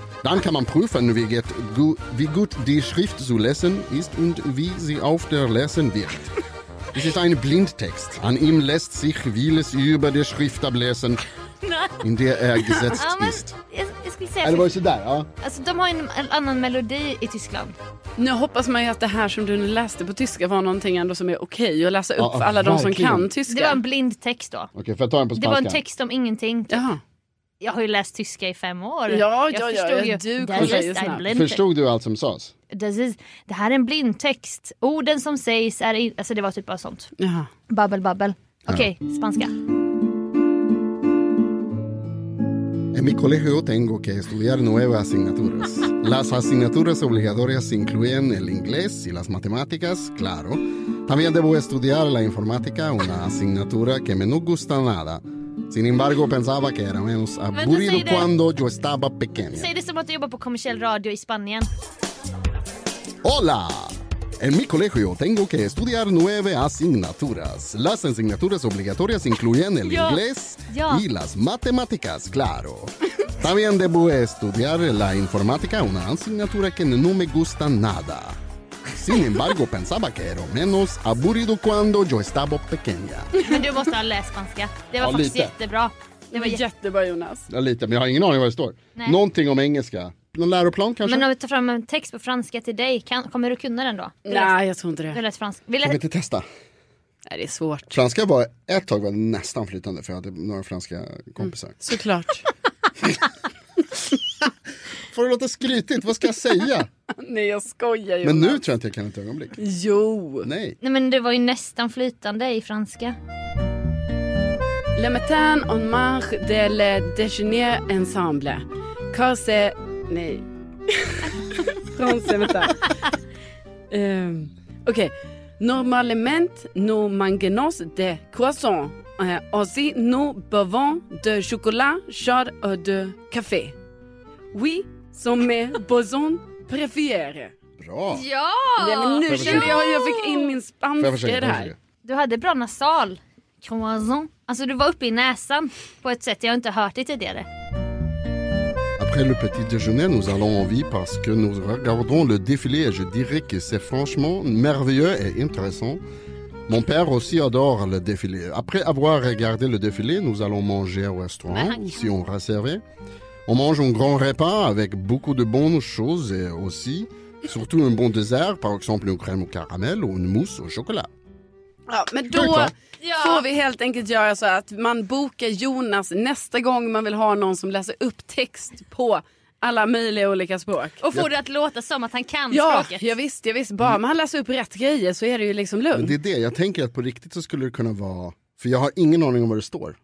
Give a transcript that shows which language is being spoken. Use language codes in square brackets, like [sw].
[de] Dann kann man prüfen, wie gut die Schrift zu lesen ist und wie sie auf der Lesen wirkt. Es ist ein Blindtext. An ihm lässt sich vieles über die Schrift ablesen, in der er gesetzt ja, ist. [sv] Eller var det sådär, ja. Alltså de har en annan melodi i Tyskland. Nu hoppas man ju att det här som du läste på tyska var någonting ändå som är okej att läsa upp för alla de som kan tyska. Det var en blind text då. Okej, för jag tar den på spanska. Det var en text om ingenting. Jaha. Jag har ju läst tyska i 5 år. Ja, jag förstod. Förstod du allt som sades? Det här är en blind text. Orden som sägs är... Alltså det var typ av sånt. Jaha. Babbel, babbel. Okej, okay, spanska. [es] En mi colegio tengo que estudiar nuevas asignaturas. Las asignaturas obligatorias incluyen el inglés y las matemáticas, claro. También debo estudiar la informática, una asignatura que me no gusta nada. Sin embargo, pensaba que era menos aburrido cuando yo estaba pequeño. [sv] Säg det som att du jobbar på kommersiell radio i Spanien. [es] Hola! En mi colegio tengo que estudiar 9 asignaturas. Las asignaturas obligatorias incluyen el inglés y las matemáticas, claro. También debo estudiar la informática, una asignatura que no me gusta nada. Sin embargo, pensaba que era menos aburrido cuando yo estaba pequeña. [sv] Men du måste ha läst spanska. Det var ja, faktiskt lite. Jättebra. Det var jättebra, Jonas. Ja, lite, men jag har ingen aning vad det står. Nej. Någonting om engelska. Någon läroplan kanske? Men om vi tar fram en text på franska till dig, kommer du kunna den då? Nej, jag tror inte det. Du läst franska. Kan vi inte testa? Nej, det är svårt. Franska var ett tag var nästan flytande, för jag hade några franska kompisar. Mm. Såklart. Får det låta skrytigt, vad ska jag säga? Nej, jag skojar, Jonas. Men nu tror jag inte jag kan ett ögonblick. Jo. Nej. Nej, men det var ju nästan flytande i franska. [fr] Le matin en marche de le déjeuner ensemble. [sv] Cause... Nej. Franska, vänta. [fr] Okej. Normalement nous mangeons des croissants. Aussi nous buvons de chocolat chaud ou de café. Oui, som mes besoins préférés. [sv] Bra. Ja. Nej, men nu kände jag att jag fick in min spanska där. Du hade bra nasal. Croissant. Alltså du var uppe i näsan på ett sätt jag inte hört dig tidigare. [fr] Après le petit déjeuner, nous allons en vie parce que nous regardons le défilé et je dirais que c'est franchement merveilleux et intéressant. Mon père aussi adore le défilé. Après avoir regardé le défilé, nous allons manger au restaurant, si on réservait. On mange un grand repas avec beaucoup de bonnes choses et aussi, surtout un bon dessert, par exemple une crème au caramel ou une mousse au chocolat. [sv] Ja, men då får vi helt enkelt göra så att man bokar Jonas nästa gång man vill ha någon som läser upp text på alla möjliga olika språk. Och får det att låta som att han kan språket. Ja, jag visst. Bara man läser upp rätt grejer så är det ju liksom lugnt. Men det är det. Jag tänker att på riktigt så skulle det kunna vara... För jag har ingen aning om vad det står.